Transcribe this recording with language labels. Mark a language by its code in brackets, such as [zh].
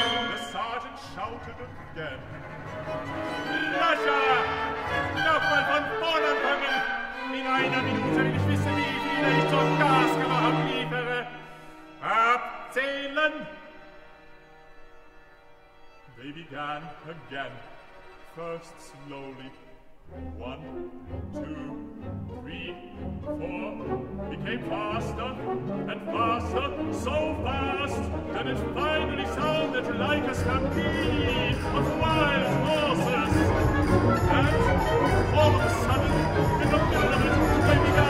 [en] The sergeant shouted again. [de] Löscher! Nochmal von vorn anfangen! In einer Minute will ich wissen, wie viele ich zum Gaskammer liefere. Abzählen! [en] They began again, first slowly. One, two, three, four. Became faster and faster, so fast that it finally sounded like a stampede of wild horses. And all of a sudden, in the middle of it, they